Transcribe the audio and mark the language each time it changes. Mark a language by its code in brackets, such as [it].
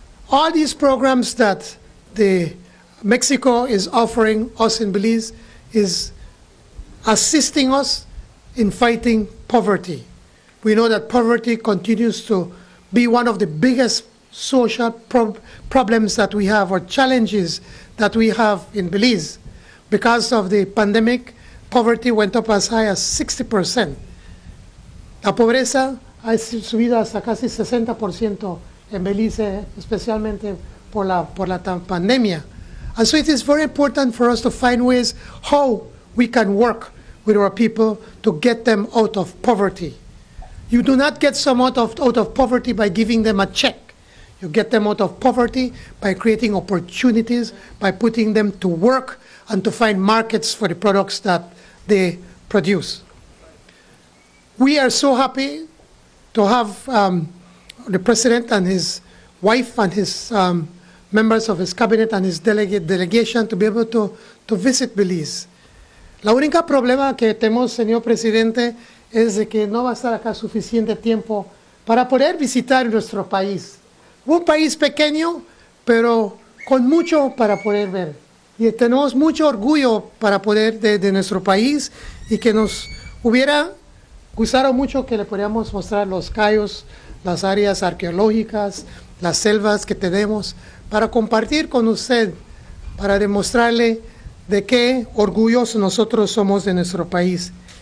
[en] All these programs that Mexico is offering us in Belize is assisting us in fighting poverty. We know that poverty continues to be one of the biggest social problems that we have, or challenges that we have in Belize. Because of the pandemic, poverty went up as high as 60%. [es] La pobreza ha subido hasta casi 60% en Belize, especialmente por la pandemia. [en] And so it is very important for us to find ways how we can work with our people to get them out of poverty. You do not get someone out of poverty by giving them a check. You get them out of poverty by creating opportunities, by putting them to work and to find markets for the products that they produce. We are so happy to have the president and his wife and his members of his cabinet and his delegation to be able to visit Belize. [es] La única problema que tenemos, señor presidente, es de que no va a estar acá suficiente tiempo para poder visitar nuestro país. Un país pequeño, pero con mucho para poder ver. Y tenemos mucho orgullo para poder de nuestro país, y que nos hubiera gustado mucho que le pudiéramos mostrar los cayos, las áreas arqueológicas, las selvas que tenemos, para compartir con usted, para demostrarle de qué orgullosos nosotros somos de nuestro país.